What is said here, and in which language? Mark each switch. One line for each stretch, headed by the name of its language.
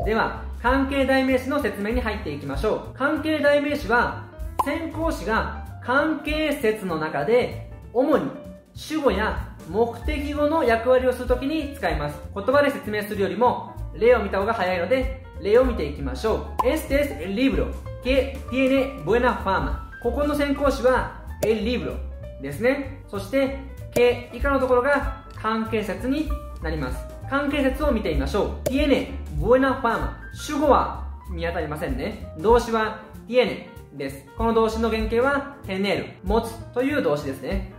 Japanese: では関係代名詞の説明に入っていきましょう。関係代名詞は先行詞が関係説の中で主に主語や目的語の役割をするときに使います。言葉で説明するよりも例を見た方が早いので例を見ていきましょう。
Spanish: Este es el libro que tiene buena fama。
Japanese: ここの先行詞は el libro ですね。そして que 以下のところが関係説になります。関係説を見てみましょう。
Spanish: tiene buena fama、
Japanese: 主語は見当たりませんね。動詞は tieneです。この動詞の原型は tener、 持つという動詞ですね。